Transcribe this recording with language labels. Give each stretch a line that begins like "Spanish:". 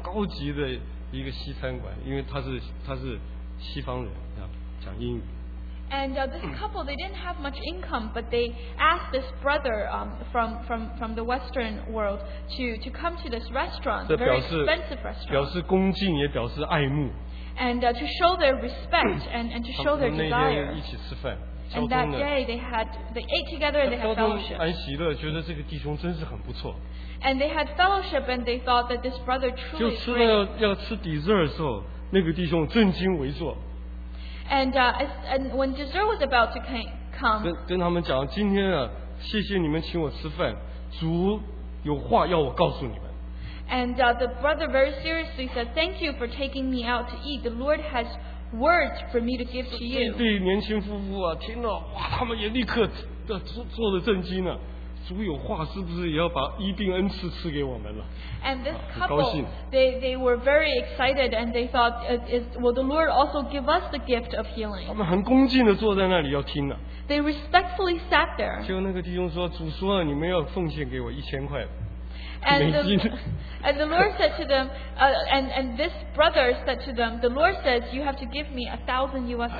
Chinese: 其实那时候年轻啊，收入都不高啊，但他们约了这位服侍的弟兄啊，到一个很高级的一个西餐馆，因为他是。西方人，讲英语。
English: And this couple, they didn't have much income, but they asked this brother from the Western world to come to this restaurant, very expensive restaurant.
Chinese: 表示恭敬，也表示爱慕。
English: And to show their respect and to show their desire.
Chinese: 他们那天一起吃饭。
English: And that day they ate together and they had fellowship.
Chinese: 安喜乐觉得这个弟兄真是很不错。
English: And they had fellowship and they thought that this brother truly.
Chinese: 就吃了要吃 dessert 的时候。那个弟兄正襟危坐，
English: and when dessert was about to come，
Chinese: 跟他们讲，今天啊，谢谢你们请我吃饭，主有话要我告诉你们。
English: And the brother very seriously said, thank you for taking me out to eat. The Lord has words for me to give to you.
Chinese: 这对年轻夫妇啊，听到哇，他们也立刻的做了震惊了。主有话是不是也要把医病恩赐赐给我们了？
English: And this couple, they were very excited, and they thought, will the Lord also give us the gift of healing?
Chinese: 他们很恭敬地坐在那里要听了。
English: They respectfully sat there.
Chinese: 就那个弟兄说，主说你们要奉献给我1000块。
English: And the Lord said to them, and this brother said to them, the Lord says, you have to give me $1,000.